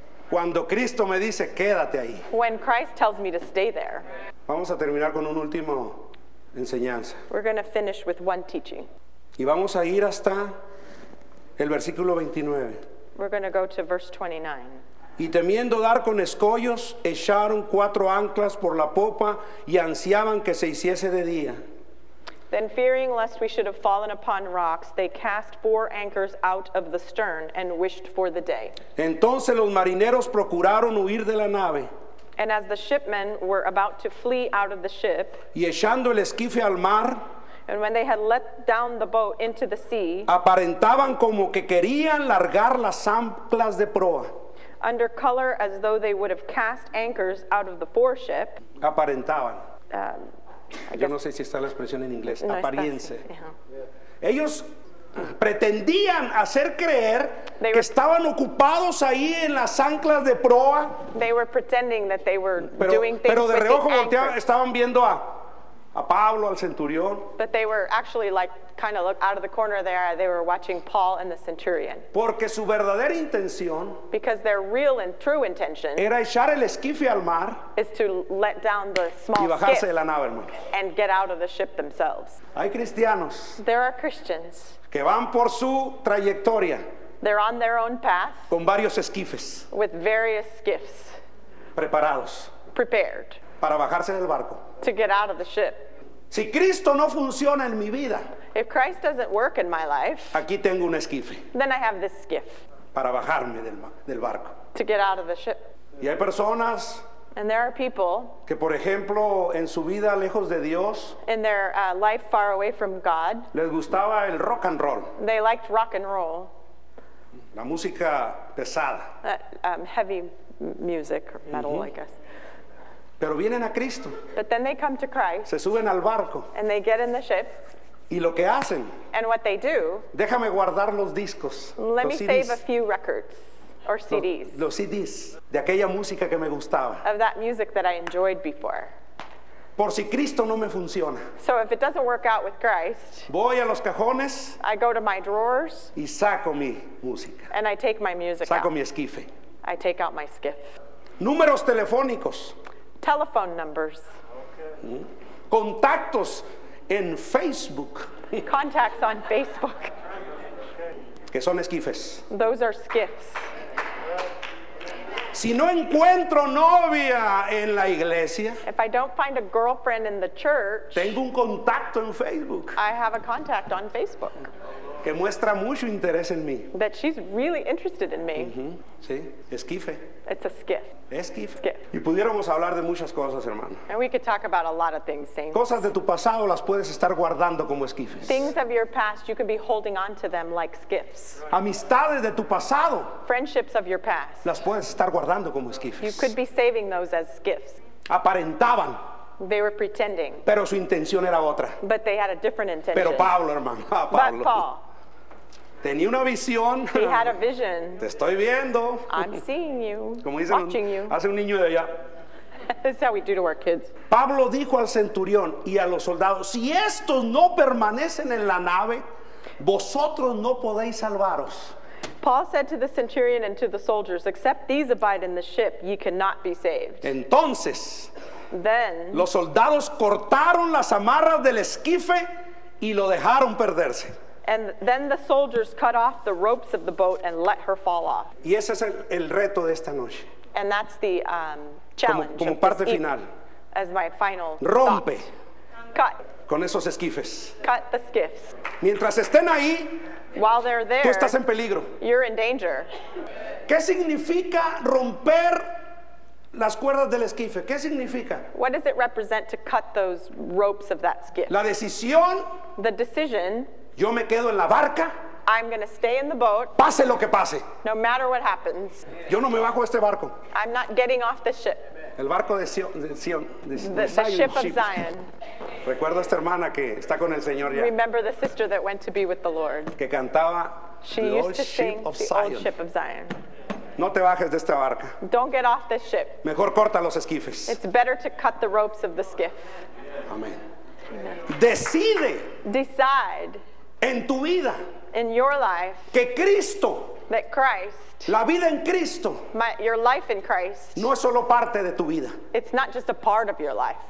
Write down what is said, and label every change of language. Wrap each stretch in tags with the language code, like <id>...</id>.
<es>Cuando Cristo me dice, quédate ahí.</es> <en>When Christ tells me to stay there.</en> <es>Vamos a terminar con una última enseñanza.</es> <en>We're going to finish with one teaching.</en> <es>Y vamos a ir hasta el versículo 29.</es> <en>We're going to go to verse 29.</en> <es>Y temiendo dar con escollos, echaron cuatro anclas por la popa y ansiaban que se hiciese de día.</es> <en>Then fearing lest we should have fallen upon rocks, they cast four anchors out of the stern and wished for the day.</en> <es>Entonces los marineros procuraron huir de la nave.</es> <en>And as the shipmen were about to flee out of the ship,</en> <es>y echando el esquife al mar,</es> <en>and when they had let down the boat into the sea,</en> <es>aparentaban como que querían largar las anclas de proa.</es> <en>Under color as though they would have cast anchors out of the foreship.</en> <es>Aparentaban. Yo no sé si está la expresión en inglés. No, apariencia. Ellos pretendían hacer creer que estaban ocupados ahí en las anclas de proa.</es> <en>They were pretending that they were</en> <es>pero,</es> <en>doing things.</en> <es>Pero de reojo volteaban, estaban viendo a Pablo, al centurión.</es> <en>But they were actually like kind of look out of the corner of their eye. They were watching Paul and the centurion.</en> <es>Porque su verdadera intención.</es> <en>Because their real and true intention.</en> <es>Era echar el esquife al mar.</es> <en>Is to let down the small</en> <es>skiff. Y bajarse de la nave, hermano.</es> <en>And get out of the ship themselves.</en> <es>Hay cristianos.</es> <en>There are Christians.</en> <es>Que van por su trayectoria.</es> <en>They're on their own path.</en> <es>Con varios esquifes.</es> <en>With various skiffs.</en> <es>Preparados.</es> <en>Prepared.</en> <es>Para bajarse del barco.</es> <en>To get out of the ship.</en> <es>Si Cristo no funciona en mi vida.</es> <en>If Christ doesn't work in my life.</en> <es>Aquí tengo un esquife.</es> <en>Then I have this skiff.</en> <es>Para bajarme del barco.</es> <en>To get out of the ship.</en> <es>Y hay personas.</es> <en>And there are people.</en> <es>Que por ejemplo en su vida lejos de Dios.</es> <en>In their life far away from God.</en> <es>Les gustaba el rock and roll.</es> <en>They liked rock and roll.</en> <es>La música pesada.</es> <en>Heavy music or metal, mm-hmm. I guess.</en> <es>Pero vienen a Cristo.</es> <en>But then they come to Christ.</en> <es>Se suben al barco.</es> <en>And they get in the ship.</en> <es>Y lo que hacen.</es> <en>And what they do.</en> <es>Déjame guardar los discos.</es> <en>Let</en> <es>los</es> <en>me CDs. Save a few records. Or CDs.</en> <es>Los CDs de aquella música que me gustaba.</es> <en>Of that music that I enjoyed before.</en> <es>Por si Cristo no me funciona.</es> <en>So if it doesn't work out with Christ,</en> <es>voy a los cajones,</es> <en>I go to my drawers,</en> <es>y saco mi música.</es> <en>And I take my music</en> <es>saco</es> <en>out.</en> <es>Mi esquife.</es> <en>I take out my skiff.</en> <es>Números telefónicos.</es> <en>Telephone numbers.</en> <es>Okay. Contactos en Facebook.</es> <en>Contacts on Facebook.</en> <es>Que son esquifes.</es> <en>Those are skiffs.</en> <es>Si no encuentro novia en la iglesia,</es> <en>if I don't find a girlfriend in the church,</en> <es>tengo un contacto en Facebook.</es> <en>I have a contact on Facebook.</en> <es>Que muestra mucho interés en mí.</es> <en>That she's really interested in me.</en> <es>Mm-hmm. Sí, esquife.</es> <en>It's a skiff.</en> <es>Esquife.</es> <en>Skiff.</en> <es>Y pudiéramos hablar de muchas cosas, hermano.</es> <en>And we could talk about a lot of things, saints.</en> <es>Cosas de tu pasado las puedes estar guardando como esquifes.</es> <en>Things of your past, you could be holding on to them like skiffs.</en> <es>Amistades de tu pasado.</es> <en>Friendships of your past.</en> <es>Las puedes estar guardando como esquifes.</es> <en>You could be saving those as skiffs.</en> <es>Aparentaban.</es> <en>They were pretending.</en> <es>Pero su intención era otra.</es> <en>But they had a different intention.</en> <es>Pero Pablo, hermano. Ah, Pablo.</es> <en>But Paul.</en> <es>Tenía una visión.</es> <en>He had a vision.</en> <es>Te estoy viendo.</es> <en>I'm seeing you.</en> <es>Como dicen,</es> <en>watching you.</en> <es>Hace un niño de allá.</es> <en>That's how we do to our kids.</en> <es>Pablo dijo al centurión y a los soldados, si estos no permanecen en la nave, vosotros no podéis salvaros.</es> <en>Paul said to the centurion and to the soldiers, except these abide in the ship, ye cannot be saved.</en> <es>Entonces,</es> <en>then,</en> <es>los soldados cortaron las amarras del esquife y lo dejaron perderse.</es> <en>And then the soldiers cut off the ropes of the boat and let her fall off.</en> <es>Y ese es el reto de esta noche.</es> <en>And that's the challenge.</en> <es>Como parte final.</es> <en>As my final.</en> <es>Rompe.</es> <en>Cut.</en> <es>Con esos esquifes.</es> <en>Cut the skiffs.</en> <es>Mientras estén ahí.</es> <en>While they're there.</en> <es>Tú estás en peligro.</es> <en>You're in danger.</en> <es>¿Qué significa romper las cuerdas del esquife? ¿Qué significa?</es> <en>What does it represent to cut those ropes of that skiff?</en> <es>La decisión.</es> <en>The decision.</en> <es>Yo me quedo en la barca.</es> <en>I'm going to stay in the boat.</en> <es>Pase lo que pase.</es> <en>No matter what happens.</en> <es>Yo no me bajo este barco.</es> <en>I'm not getting off the ship.</en> <es>El barco de Sion.</es> <en>The ship of Zion.</en> <es>Recuerdo a esta hermana que está con el Señor ya.</es> <en>Remember the sister that went to be with the Lord.</en> <es>Que cantaba.</es> <en>She the used old to ship sing of the Zion. Old ship of Zion.</en> <es>No te bajes de esta barca.</es> <en>Don't get off this ship.</en> <es>Mejor corta los esquifes.</es> <en>It's better to cut the ropes of the skiff.</en> <es>Amén. Decide.</es> <en>Decide.</en> <es>En tu vida.</es> <en>In your life.</en> <es>Que Cristo.</es> <en>That Christ.</en> <es>La vida en Cristo.</es> <en>Your life in Christ.</en> <es>No es solo parte de tu vida.</es> <en>It's not just a part of your life.</en>